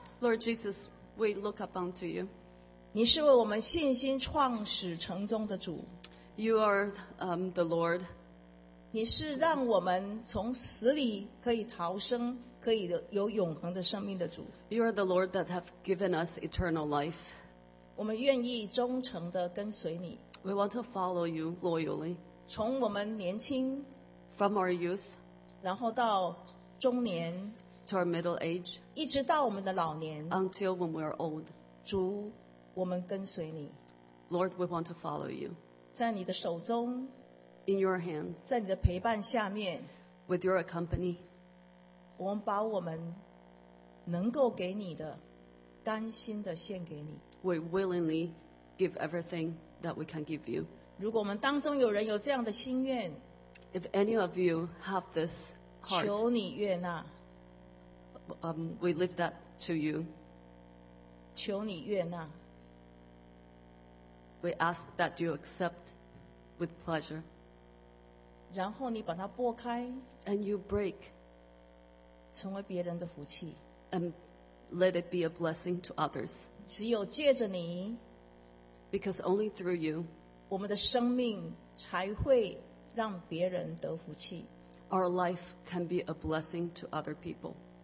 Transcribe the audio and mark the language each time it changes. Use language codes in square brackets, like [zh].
[en] Lord Jesus, we look up unto you. [zh] 你是为我们信心创始成终的主。 [en] You are the Lord. [zh] 你是让我们从死里可以逃生，可以有永恒的生命的主。 [en] You are the Lord that have given us eternal life. [zh] 我们愿意忠诚地跟随你。 [en] We want to follow you loyally. [zh] 从我们年轻 [en] ，from our youth， [zh] 然后到中年 [en] ，to our middle age， [zh] 一直到我们的老年 [en] ，until when we are old。 [zh] 主。我们跟随你 [en] Lord, we want to follow you. [zh] 在你的手中 [en] In your hand. [zh] 在你的陪伴下面 [en] With your accompany. [zh] 我们把我们能够给你的甘心的献给你 [en] We willingly give everything that we can give you. [zh] 如果我们当中有人有这样的心愿 [en] If any of you have this heart, [zh] 求你悦纳 [en] We leave that to you. [zh] 求你悦纳 [en] We ask that you accept with pleasure. [zh] 然后你把它拨开 [en] And you break. [zh] 成为别人的福气 [en] And let it be a blessing to others. [zh] 只有借着你 [en] Because only through you. [zh] 我们的生命才会让别人得福气 [en] Our life can be a blessing to other people.